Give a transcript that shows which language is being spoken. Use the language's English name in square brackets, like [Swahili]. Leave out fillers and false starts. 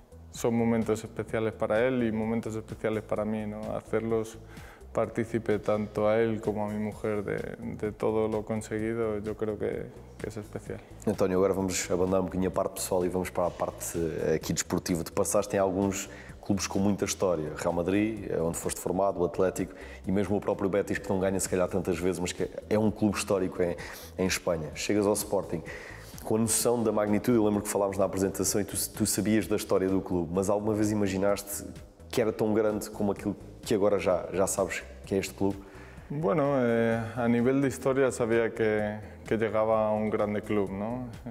[Spanish] Son momentos especiales para él y momentos especiales para mí, ¿no? Hacerlos partícipe tanto a él como a mi mujer de todo lo conseguido, yo creo que es especial. [Portuguese] António, agora vamos abandonar um bocadinho a parte pessoal e vamos para a parte aqui desportiva. Tu passaste em alguns clubes com muita história, Real Madrid, onde foste formado, o Atlético e mesmo o próprio Betis, que não ganha se calhar tantas vezes, mas que é um clube histórico em Espanha. Chegas ao Sporting com a noção da magnitude, eu lembro que falámos na apresentação e tu sabias da história do clube, mas alguma vez imaginaste que era tão grande como aquilo que agora já sabes que é este clube? [Spanish] Bueno, a nivel de historia sabía que llegaba a un grande club, ¿no?